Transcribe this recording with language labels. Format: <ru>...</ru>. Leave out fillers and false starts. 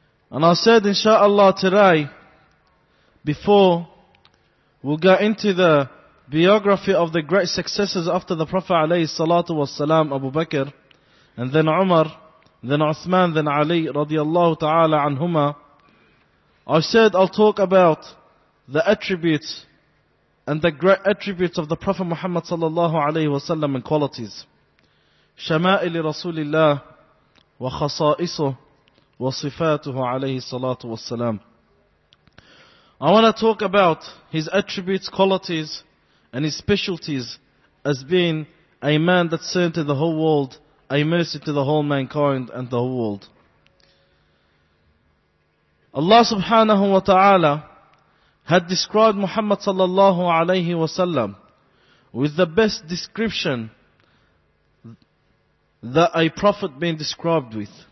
<en>And I said, inshallah, today, before we go into the biography of the great successors after the Prophet alayhi salatu wasalam, Abu Bakr, and then Umar, then Uthman, then Ali radiallahu ta'ala anhuma, I said I'll talk about the attributes and the great attributes of the Prophet Muhammad sallallahu alayhi wasallam and qualities.</en> <ar>شمائل رسول الله وخصائصه وصفاته عليه الصلاة والسلام.</ar> <en>I want to talk about his attributes, qualities, and his specialties as being a man that served to the whole world, a mercy to the whole mankind and the whole world. Allah subhanahu wa ta'ala had described Muhammad sallallahu alayhi wa sallam with the best description that a prophet being described with.</en>